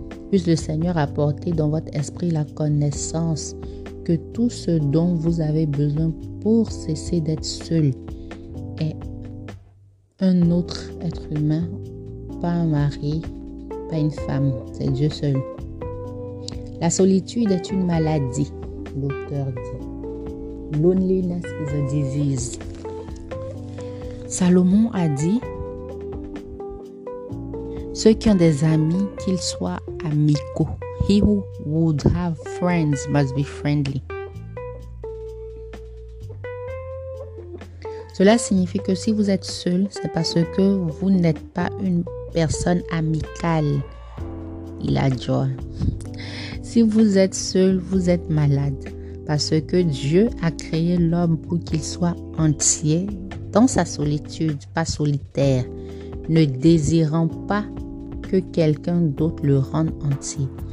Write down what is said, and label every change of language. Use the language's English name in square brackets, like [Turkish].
[French] Puisse le Seigneur apporter dans votre esprit la connaissance que tout ce dont vous avez besoin pour cesser d'être seul est un autre être humain, pas un mari, pas une femme, c'est Dieu seul. La solitude est une maladie, l'auteur dit. [English] Loneliness is a disease. [French] Salomon a dit, ceux qui ont des amis, qu'ils soient amicaux. [English] He who would have friends must be friendly. [French] Cela signifie que si vous êtes seul, c'est parce que vous n'êtes pas une personne amicale. Il a dit, si vous êtes seul, vous êtes malade. Parce que Dieu a créé l'homme pour qu'il soit entier dans sa solitude, pas solitaire, ne désirant pas que quelqu'un d'autre le rende entier.